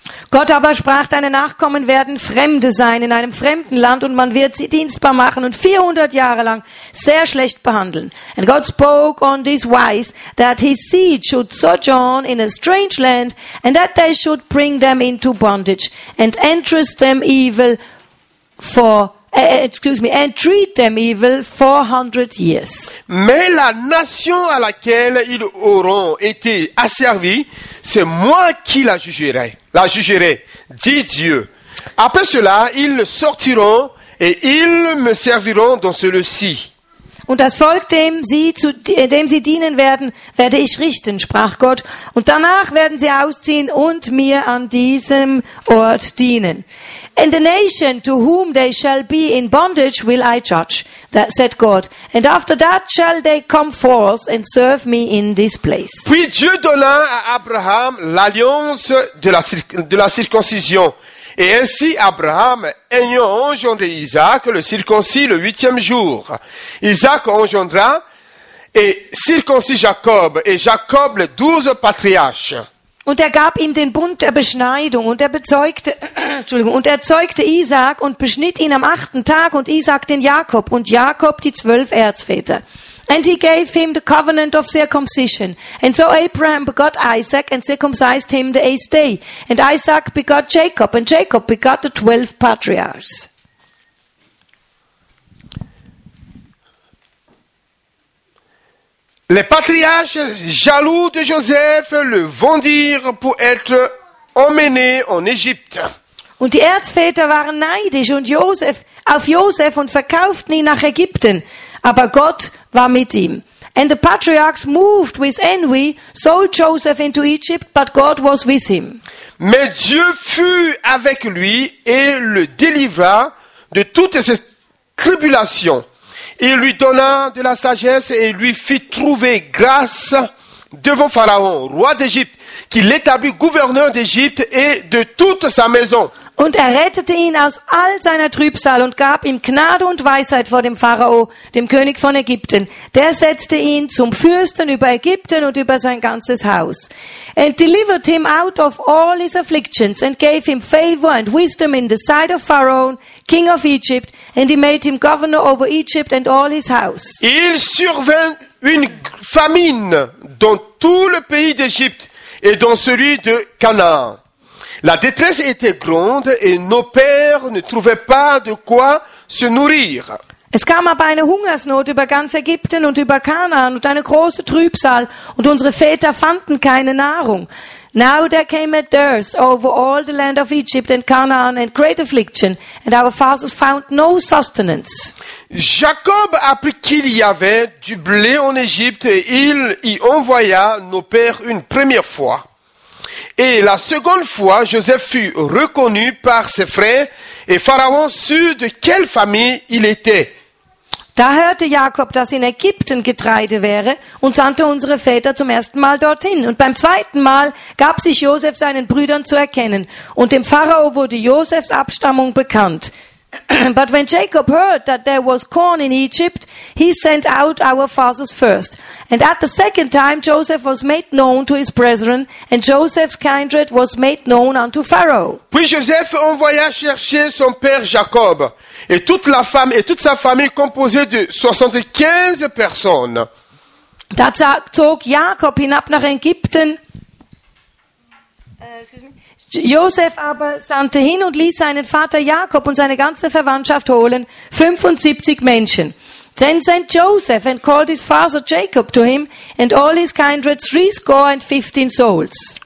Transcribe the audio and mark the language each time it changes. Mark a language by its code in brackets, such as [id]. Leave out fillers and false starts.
[de] Gott aber sprach, deine Nachkommen werden Fremde sein in einem fremden Land und man wird sie dienstbar machen und 400 Jahre lang sehr schlecht behandeln. [en] And God spoke on this wise, that his seed should sojourn in a strange land and that they should bring them into bondage and entrust them evil for, and treat them evil 400 years. [fr] Mais la nation à laquelle ils auront été asservis, c'est moi qui la jugerai. Dit Dieu. Après cela, ils sortiront et ils me serviront dans celui-ci. [de] Und das Volk, dem sie dienen werden, werde ich richten, sprach Gott. Und danach werden sie ausziehen und mir an diesem Ort dienen. [en] And the nation to whom they shall be in bondage will I judge, that said God. And after that shall they come forth and serve me in this place. [fr] Puis Dieu donna à Abraham l'alliance de la circoncision. Et ainsi Abraham, ayant engendré Isaac, le circoncis le huitième jour. Isaac engendra et circoncis Jacob, et Jacob les 12 patriarches. [de] Und gab ihm den Bund der Beschneidung und bezeugte, und zeugte Isaac und beschnitt ihn am achten Tag und Isaac den Jakob und Jakob die 12 Erzväter. [en] And he gave him the covenant of circumcision. And so Abraham begot Isaac and circumcised him the eighth day. And Isaac begot Jacob and Jacob begot the 12 patriarchs. [fr] Les patriarches jaloux de Joseph le vendirent pour être emmenés en Égypte. [de] Und die Erzväter waren neidisch und Joseph und verkauften ihn nach Ägypten. Aber Gott war mit ihm. [en] And the patriarchs moved with envy, sold Joseph into Egypt, but God was with him. [fr] Mais Dieu fut avec lui et le délivra de toutes ses tribulations. Il lui donna de la sagesse et lui fit trouver grâce devant Pharaon, roi d'Égypte, qui l'établit gouverneur d'Égypte et de toute sa maison. [de] Und rettete ihn aus all seiner Trübsal und gab ihm Gnade und Weisheit vor dem Pharao, dem König von Ägypten. Der setzte ihn zum Fürsten über Ägypten und über sein ganzes Haus. [en] And delivered him out of all his afflictions and gave him favor and wisdom in the sight of Pharaoh, king of Egypt, and he made him governor over Egypt and all his house. [fr] Il survint une famine dans tout le pays d'Égypte et dans celui de Canaan. La détresse était grande et nos pères ne trouvaient pas de quoi se nourrir. [de] Es kam aber eine Hungersnot über ganz Ägypten und über Kanaan und eine große Trübsal und unsere Väter fanden keine Nahrung. [en] Now there came a dearth over all the land of Egypt and Canaan and great affliction and our fathers found no sustenance. [fr] Jacob apprit qu'il y avait du blé en Égypte et il y envoya nos pères une première fois. Et la seconde fois, Joseph fut reconnu par ses frères, et Pharaon sut de quelle famille il était. [de] Da hörte Jakob, dass in Ägypten Getreide wäre, und sandte unsere Väter zum ersten Mal dorthin. Und beim zweiten Mal gab sich Joseph seinen Brüdern zu erkennen, und dem Pharao wurde Josephs Abstammung bekannt. [en] But when Jacob heard that there was corn in Egypt, he sent out our fathers first. And at the second time, Joseph was made known to his brethren, and Joseph's kindred was made known unto Pharaoh. [fr] Puis Joseph envoya chercher son père Jacob, et toute sa famille composée de 75 personnes. [de] Da zog Jakob hinab nach Ägypten. Josef aber sandte hin und ließ seinen Vater Jakob und seine ganze Verwandtschaft holen, 75 Menschen. [en] Then sent Joseph and called his father Jacob to him and all his kindred 75 souls.